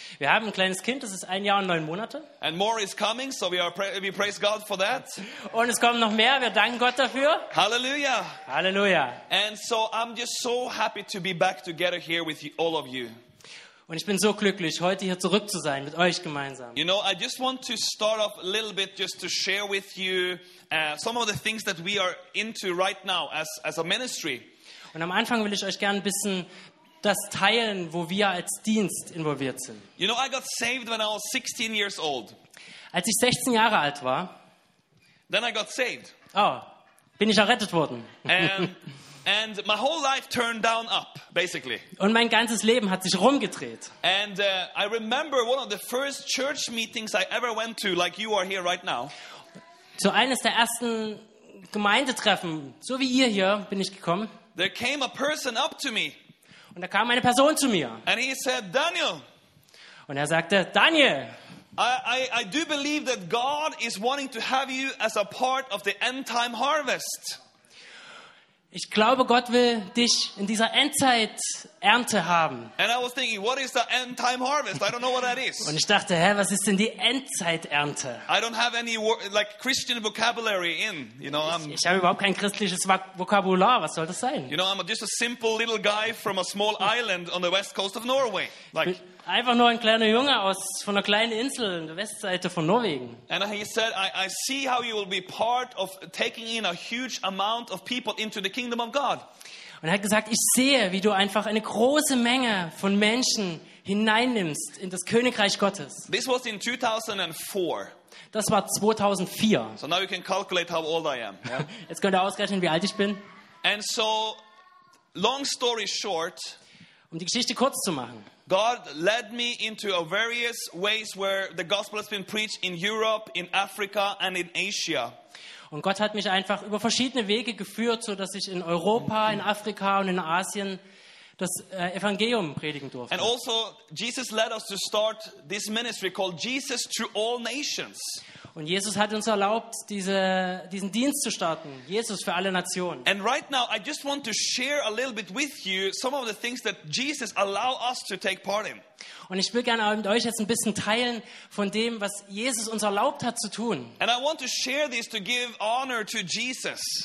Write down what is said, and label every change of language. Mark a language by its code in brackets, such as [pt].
[de] Wir haben ein kleines Kind, das ist 1 Jahr und 9 Monate. [en] And more is coming, so we praise God for that. [de] Und es kommen noch mehr, wir danken Gott dafür. Hallelujah. Hallelujah. [en] And so I'm just so happy to be back together here with all of you. [de] Und ich bin so glücklich, heute hier zurück zu sein mit euch gemeinsam. [en] You know, I just want to start off a little bit just to share with you some of the things that we are into right now as a ministry. [de] Und am Anfang will ich euch gerne ein bisschen das teilen, wo wir als Dienst involviert sind. [en] You know, I got saved when I was 16 years old. [de] Als ich 16 Jahre alt war, [en] then I got saved. [de] Oh, bin ich errettet worden. [en] And my whole life turned down up, basically. [de] Und mein ganzes Leben hat sich rumgedreht. [en] And I remember one of the first church meetings I ever went to, like you are here right now. [de] Zu eines der ersten Gemeindetreffen, so wie ihr hier, bin ich gekommen. [en] There came a person up to me. [de] Und da kam eine Person zu mir. [en] And he said, Daniel. [de] Und er sagte, Daniel. [en] I do believe that God is wanting to have you as a part of the end time harvest. [de] Ich glaube, Gott will dich in dieser Endzeit Ernte haben. [en] And I was thinking, what is the end time harvest? I don't know what that is. [de] Und ich dachte, hä, was ist denn die Endzeit Ernte? [en] I don't have any like Christian vocabulary in, you know. [de] Ich habe überhaupt kein christliches Vokabular, was soll das sein? [en] You know, I'm just a simple little guy from a small island on the west coast of Norway. [de] Like einfach nur ein kleiner Junge aus von einer kleinen Insel an der Westseite von Norwegen. [en] And he said, I see how you will be part of taking in a huge amount of people into the kingdom of God. [de] Und er hat gesagt, ich sehe, wie du einfach eine große Menge von Menschen hineinnimmst in das Königreich Gottes. [en] This was in 2004. [de] Das war 2004. [en] So now you can calculate how old I am. Yeah? [de] Jetzt könnt ihr ausrechnen, wie alt ich bin. [en] And so, long story short, [de] um die Geschichte kurz zu machen. [en] God led me into a various ways where the gospel has been preached in Europe, in Africa and in Asia. [de] Und Gott hat mich einfach über verschiedene Wege geführt, so dass ich in Europa, in Afrika und in Asien das Evangelium predigen durfte. [en] And also Jesus led us to start this ministry called Jesus to all nations. [de] Und Jesus hat uns erlaubt, diesen Dienst zu starten, Jesus für alle Nationen. [en] And right now I just want to share a little bit with you some of the things that Jesus allow us to take part in. [de] Und ich will gerne auch mit euch jetzt ein bisschen teilen von dem, was Jesus uns erlaubt hat zu tun. [en] And I want to share this to give honor to Jesus.